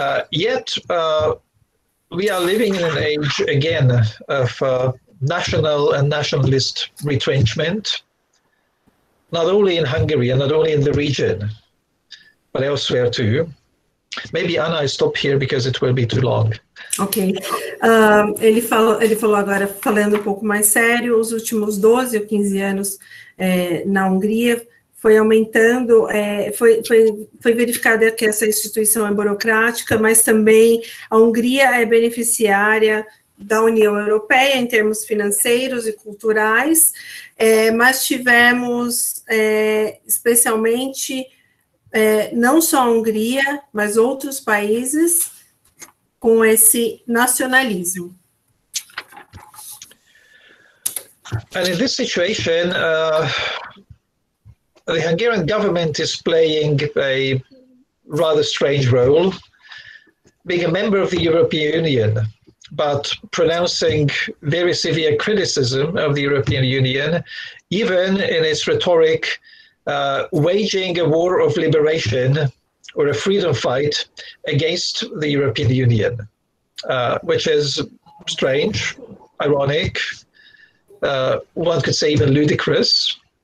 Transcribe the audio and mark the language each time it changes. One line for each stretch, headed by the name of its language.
English: Yet, we are living in an age, again, of national and nationalist retrenchment, not only in Hungary and not only in the region, but elsewhere too. Maybe, Anna, I stop here because it will be too long. Ok.
Portuguese: Ele falou agora, falando um pouco mais sério, os últimos 12 ou 15 anos na Hungria foi aumentando, foi verificado que essa instituição é burocrática, mas também a Hungria é beneficiária da União Europeia em termos financeiros e culturais, mas tivemos especialmente não só a Hungria, mas outros países com esse nacionalismo.
English: And in this situation, the Hungarian government is playing a rather strange role, being a member of the European Union, but pronouncing very severe criticism of the European Union, even in its rhetoric, waging a war of liberation or a freedom fight against the European Union, which is strange, ironic, one could say even ludicrous.